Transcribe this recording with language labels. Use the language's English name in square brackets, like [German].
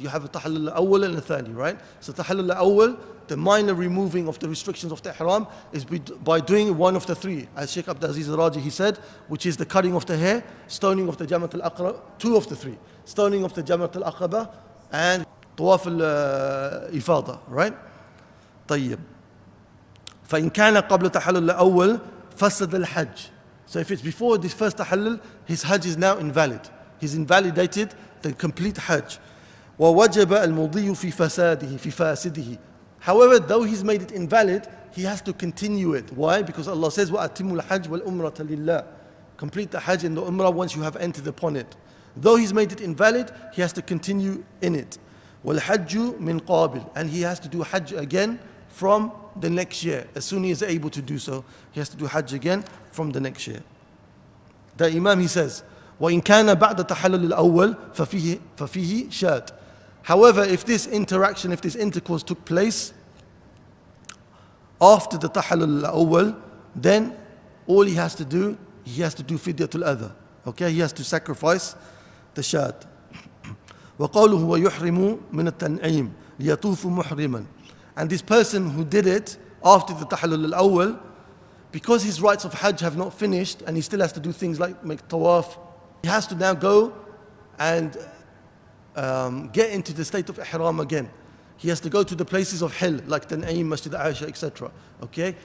[English] You have a tahallul al-awwal and a thani, right? So tahallul al-awwal, the minor removing of the restrictions of the ihram, is by doing one of the three, as Sheikh Abdulaziz al-Raji, he said, which is the cutting of the hair, stoning of the Jamarat al-Aqaba, two of the three, stoning of the Jamarat al-Aqaba, and طواف الإفاضة, right? [Arabic] طيب. فإن كان قبل تحلل الأول فسد الحج. [English] So if it's before this first تحلل, his Hajj is now invalid. He's invalidated the complete Hajj. [Arabic] ووجب المضي في فساده في فاسده. [English] However, though he's made it invalid, he has to continue it. Why? Because Allah says [Arabic] وأتم الحج والأمرة لله. [English] Complete the Hajj and the Umrah once you have entered upon it. Though he's made it invalid, he has to continue in it. [Arabic] والحج من قابل, [English] and he has to do Hajj again from the next year. As soon as he is able to do so, he has to do Hajj again from the next year. The Imam, he says, [Arabic] وإن كان بعد تحلل الأول ففيه شات. [English] However, if this interaction, if this intercourse took place after the تحلل الأول, then all he has to do فدية الأذى. Okay, he has to sacrifice the shat. [Arabic] وقوله ويحرم من التنعيم ليطوف محرما. [English] And this person who did it after the tahallul al-awwal, because his rites of Hajj have not finished and he still has to do things like make tawaf, he has to now go and get into the state of ihram again. He has to go to the places of Hill, like Tan'im, Masjid Aisha, etc. Okay?